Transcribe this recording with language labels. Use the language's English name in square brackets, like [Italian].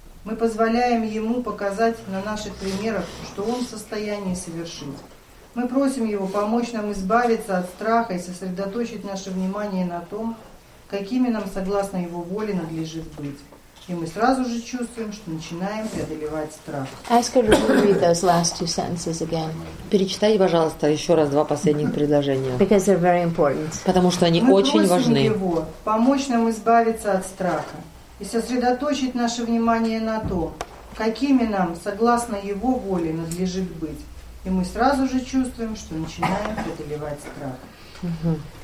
[Russian] Мы позволяем Ему показать на наших примерах, что Он в состоянии совершить. Мы просим Его помочь нам избавиться от страха и сосредоточить наше внимание на том, какими нам, согласно Его воле, надлежит быть. И мы сразу же чувствуем, что начинаем преодолевать страх. [English] Ask her to read those last two sentences again. [Russian] Перечитайте, пожалуйста, еще раз два последних предложения. [English] Because they're very important. [Russian] Потому что они очень важны. Мы просим Его помочь нам избавиться от страха и сосредоточить наше внимание на то, какими нам, согласно Его воле, надлежит быть. И мы сразу же чувствуем, что начинаем преодолевать страх.